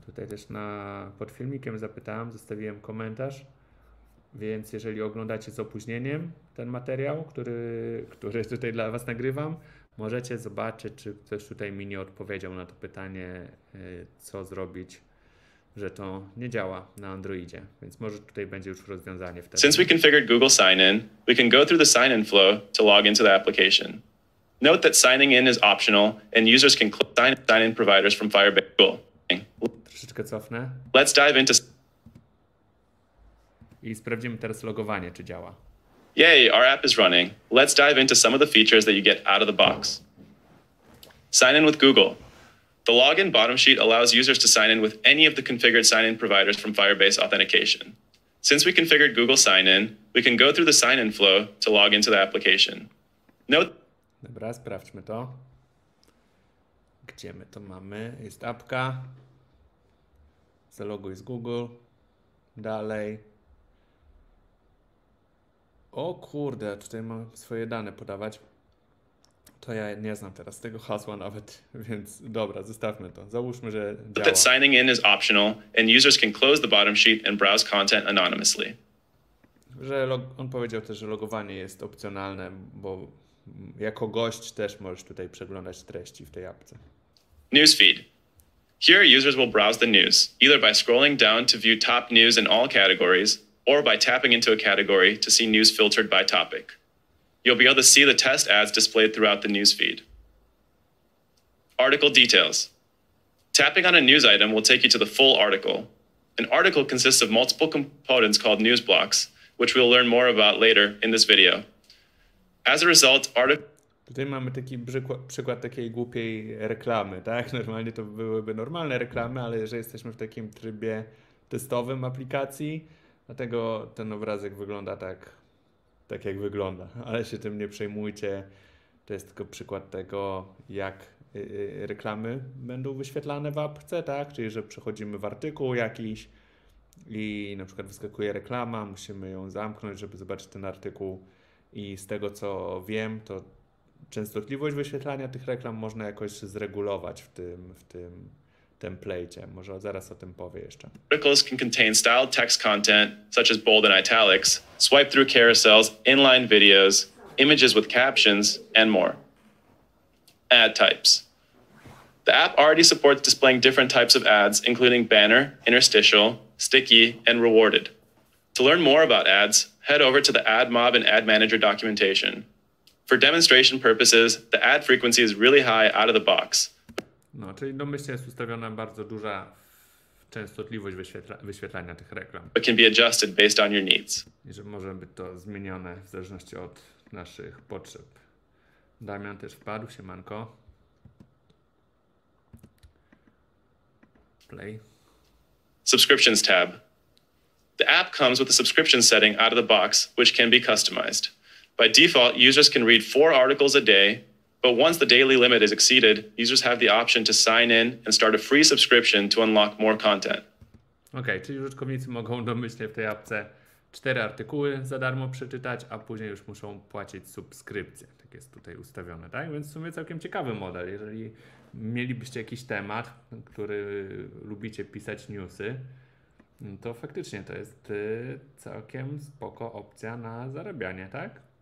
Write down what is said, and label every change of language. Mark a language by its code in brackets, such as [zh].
[pl] Też pod filmikiem zapytałem, zostawiłem komentarz, więc jeżeli oglądacie z opóźnieniem ten materiał, który tutaj dla Was nagrywam, możecie zobaczyć, czy ktoś tutaj mi nie odpowiedział na to pytanie, co zrobić, że to nie działa na Androidzie, więc może tutaj będzie już rozwiązanie wtedy. [en] Since we configured Google Sign-in, we can go through the sign-in flow to log into the application. Note that signing in is optional and users can click sign-in providers from Firebase Google. [pl] Troszeczkę cofnę. [en] Let's dive into. [pl] I sprawdzimy teraz logowanie, czy działa. [en] Yay, our app is running. Let's dive into some of the features that you get out of the box. Sign in with Google. The login bottom sheet allows users to sign in with any of the configured sign-in providers from Firebase Authentication. Since we configured Google Sign-in, we can go through the sign-in flow to log into the application. [pl] Dobra, sprawdźmy to. Gdzie my to mamy? Jest apka. Zaloguj z Google. Dalej. O kurde, tutaj mam swoje dane podawać. To ja nie znam teraz tego hasła nawet, więc dobra, zostawmy to. Załóżmy, że działa. [en] That signing in is optional and users can close the bottom sheet and browse content anonymously. [pl] Że on powiedział też, że logowanie jest opcjonalne, bo jako gość też możesz tutaj przeglądać treści w tej apce. [en] Newsfeed. Here, users will browse the news, either by scrolling down to view top news in all categories, or by tapping into a category to see news filtered by topic. You'll be able to see the test ads displayed throughout the news feed. Article details. Tapping on a news item will take you to the full article. An article consists of multiple components called news blocks, which we'll learn more about later in this video. As a result, [pl] Tutaj mamy taki przykład takiej głupiej reklamy, tak? Normalnie to byłyby normalne reklamy, ale że jesteśmy w takim trybie testowym aplikacji, dlatego ten obrazek wygląda tak jak wygląda. Ale się tym nie przejmujcie. To jest tylko przykład tego, jak reklamy będą wyświetlane w apce, tak? Czyli że przechodzimy w artykuł jakiś i na przykład wyskakuje reklama, musimy ją zamknąć, żeby zobaczyć ten artykuł. I z tego, co wiem, to częstotliwość wyświetlania tych reklam można jakoś zregulować w tym template'cie. Może zaraz o tym powie jeszcze. [en] Articles can contain styled text content, such as bold and italics, swipe through carousels, inline videos, images with captions, and more. Ad types. The app already supports displaying different types of ads, including banner, interstitial, sticky, and rewarded. To learn more about ads, head over to the AdMob and Ad Manager documentation. For demonstration purposes, the ad frequency is really high out of the box. [pl] No, czyli domyślnie jest ustawiona bardzo duża częstotliwość wyświetlania tych reklam. [en] It can be adjusted based on your needs. [pl] I że może być to zmienione w zależności od naszych potrzeb. Damian też wpadł, siemanko. [en] Play. Subscriptions tab. The app comes with a subscription setting out of the box, which can be customized. By default, users can read 4 articles a day, but once the daily limit is exceeded, users have the option to sign in and start a free subscription to unlock more content. [pl] Okay, czyli użytkownicy mogą domyślnie w tej apce 4 artykuły za darmo przeczytać, a później już muszą płacić subskrypcję. Tak jest tutaj ustawione, tak? Więc w sumie całkiem ciekawy model. Jeżeli mielibyście jakiś temat, który lubicie pisać newsy, to faktycznie to jest całkiem spoko opcja na zarabianie, tak?